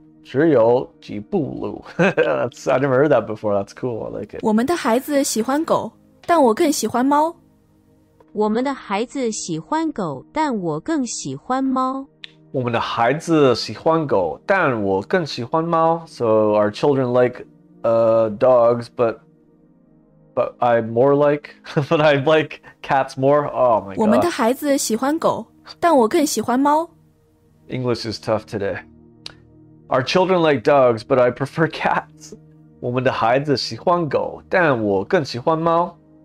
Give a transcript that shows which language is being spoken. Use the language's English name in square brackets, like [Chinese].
[Chinese] 只有几步路。 [English] That's, I never heard that before. That's cool. I like it. [Chinese] 我们的孩子喜欢狗，但我更喜欢猫。我们的孩子喜欢狗，但我更喜欢猫。我们的孩子喜欢狗，但我更喜欢猫。 [English] So our children like, dogs, but I more like, but I like cats more. Oh my god. [Chinese] 我们的孩子喜欢狗。但我更喜欢猫。 [English] English is tough today. Our children like dogs, but I prefer cats. [Chinese] 我们的孩子喜欢狗，但我更喜欢猫。